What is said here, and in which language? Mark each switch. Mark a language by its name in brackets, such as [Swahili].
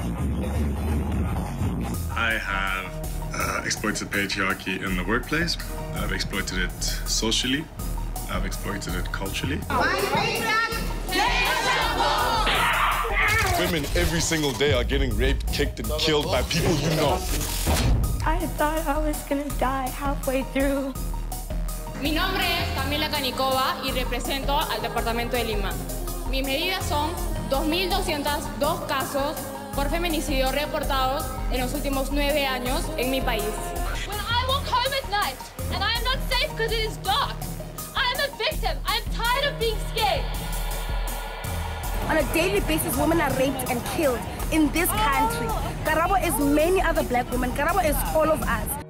[English] I have exploited patriarchy in the workplace. I've exploited it socially. I've exploited it culturally. Women every single day are getting raped, kicked, and killed by people you know. I thought I was gonna die halfway through. [Spanish] Mi nombre es Camila Canicova y represento al departamento de Lima. Mis medidas son 2,202 casos por feminicidio reportados en los últimos 9 años en mi país. [English] When I walk home at night and I am not safe because it is dark, I am a victim. I am tired of being scared. On a daily basis, women are raped and killed in this country. Karabo is many other black women. Karabo is all of us.